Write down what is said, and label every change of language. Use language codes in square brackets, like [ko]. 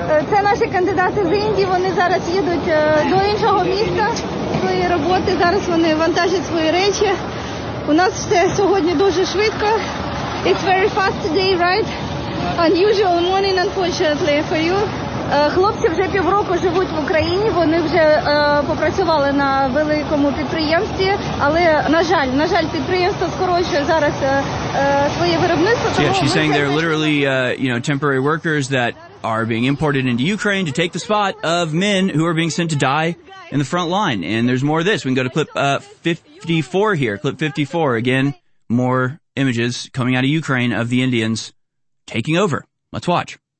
[uk] Це наші кандидати з Індії. Вони зараз їдуть до іншого міста своєї роботи. Зараз вони вантажать свої речі. У нас все сьогодні дуже швидко. [en] It's very fast today, right? Unusual morning, unfortunately, for you. [uk] Хлопці вже півроку живуть в Україні, вони вже попрацювали на великому підприємстві, але, на жаль, підприємство скорочує зараз своє виробництво. [en] Yeah, she's saying they're literally, temporary workers that are being imported into Ukraine to take the spot of men who are being sent to die in the front line. And there's more of this. We can go to clip 54 here. Clip 54, again, more images coming out of Ukraine of the Indians taking over. Let's watch.